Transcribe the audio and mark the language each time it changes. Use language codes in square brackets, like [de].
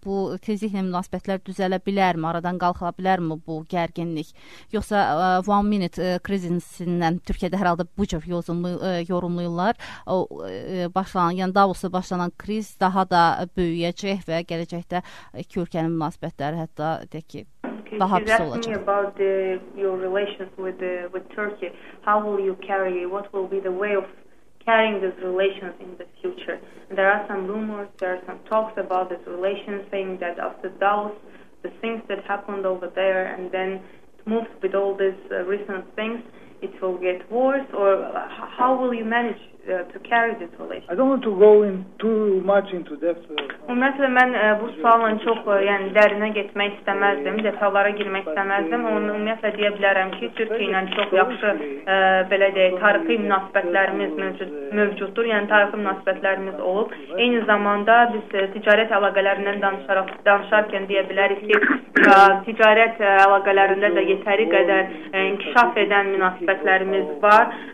[az] Bu tezliklə münasibətlər düzələ bilərmi? Aradan qalxıla bilərmi bu gərginlik? Yoxsa one minute krizisindən Türkiyədə hər halda bu cür yorumluyurlar. Başlanan kriz daha da böyüyəcək və gələcəkdə iki ülkənin münasibətləri hətta [en] asking about your relations with Turkey. How will you carry? What will be the way of carrying these relations in the future? There are some rumors. There are some talks about this relation, saying that after Davos, the things that happened over there, and then it moves with all these recent things, it will get worse. Or how will you manage to carry this relation? I don't want to go in too much into depth. [az] Ümumiyyətlə, mən bu sualın çox yəni dərinə getmək istəməzdim, detallara girmək istəməzdim. Ümumiyyətlə, deyə bilərəm ki, Türkiyə ilə çox yaxşı belə deyək, tarixi münasibətlərimiz mövcuddur. Yəni, tarixi münasibətlərimiz olub. Eyni zamanda biz ticarət əlaqələrindən danışarkən deyə bilərik ki, ticarət əlaqələrində də yetəri qədər inkişaf edən münasibətlərimiz var.